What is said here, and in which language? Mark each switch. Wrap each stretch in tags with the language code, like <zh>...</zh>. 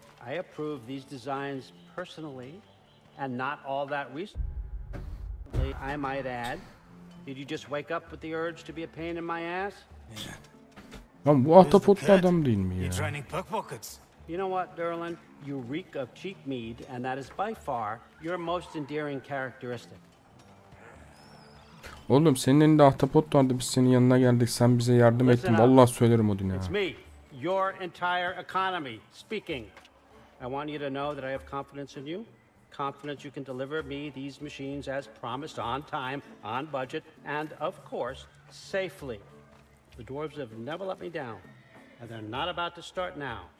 <en>I approve these designs personally, and not all that recently, I might add. Did you just wake up with the urge to be a pain in my ass?</en> <tr>Yeah. Lan bu ahtapotlu adam değil mi ya?</tr> <en>You're training puck pockets. You know what, darling? You reek of cheap mead, and that is by far your most endearing characteristic.</en> <tr>Oğlum senin elinde ahtapot vardı, biz senin yanına geldik, sen bize yardım Listen ettin. Vallahi söylerim Odin'e.</tr> <en>It's me, your entire economy speaking. I want you to know that I have confidence in you. Confidence you can deliver me these machines as promised, on time, on budget, and of course, safely. The dwarves have never let me down, and they're not about to start now.</en>